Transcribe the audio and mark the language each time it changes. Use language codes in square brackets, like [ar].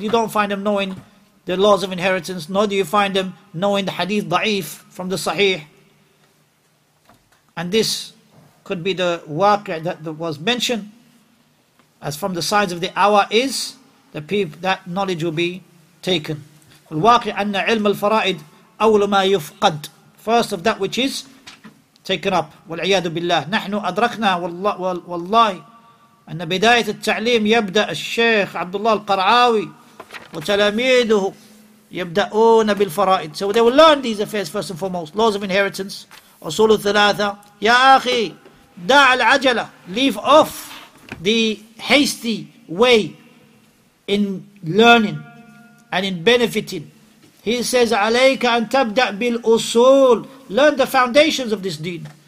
[en] You don't find them knowing the laws of inheritance, nor do you find them knowing the hadith da'if from the sahih. And this could be the waqi' that was mentioned, as from the signs of the hour is the that knowledge will be taken. [ar] الواقع أن علم الفرائد أول ما يفقد. [en] First of that which is taken up. والعياذ بالله. [ar] نحن أدركنا والله أن بداية التعليم يبدأ الشيخ عبد الله القرعاوي وتلاميذه يبدأون بالفرائد. [en] So they will learn these affairs first and foremost. Laws of inheritance. [ar] أصول الثلاثة. يا أخي دع العجلة. [en] Leave off the hasty way in learning and in benefiting. He says, [ar] عَلَيْكَ أَن تَبْدَأْ بِالْأُصُولِ. [en] Learn the foundations of this deen.